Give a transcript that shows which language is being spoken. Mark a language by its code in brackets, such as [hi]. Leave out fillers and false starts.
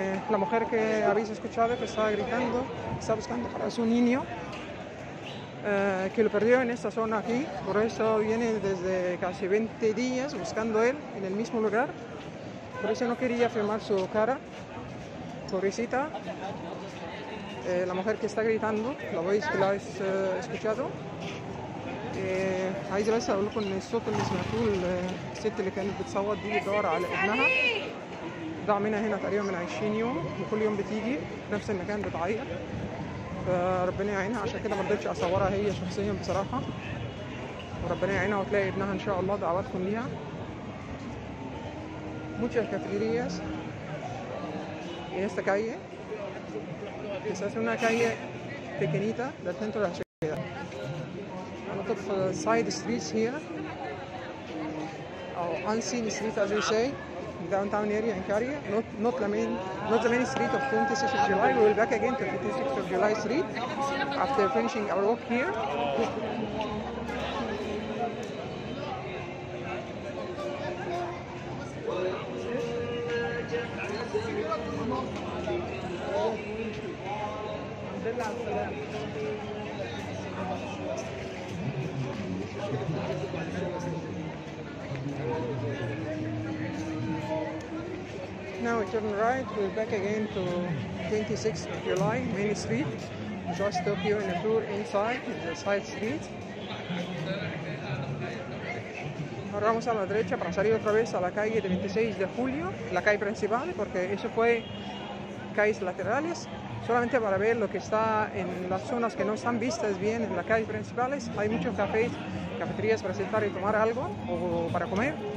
[es] La mujer que habéis escuchado que estaba gritando, está buscando para su niño, que lo perdió en esta zona aquí. Por eso viene desde casi 20 días buscando él en el mismo lugar. Por eso no quería filmar su cara, pobrecita. La mujer que está gritando, la habéis escuchado. [ar] هاي جلسة أقول لكم إن الصوت اللي سمعته الست اللي كانت بتصوت دي بتدور على ابنها. ضاع منها هنا تقريبا من 20 يوم، وكل يوم بتيجي نفس المكان بتعيط. فربنا يعينها، عشان كده ما رضيتش أصورها هي شخصيا بصراحة. وربنا يعينها وتلاقي ابنها إن شاء الله، دعواتكم ليها. [es] Muchas cafeterías en esta calle, que se hace una calle pequeñita del centro de la ciudad. [en] A lot of side streets here, or unseen streets as we say, downtown area in Caria, not the main street of 26th of July. We will back again to 26th of July Street after finishing our walk here. Now we turn right, we're back again to 26th of July, Main Street. Just took you on a tour inside the side street. [es] Ahora vamos a la derecha para salir otra vez a la calle de 26 de Julio, la calle principal, porque eso fue calles laterales. Solamente para ver lo que está en las zonas que no están vistas bien en las calles principales. Hay muchos cafés, cafeterías para sentar y tomar algo o para comer.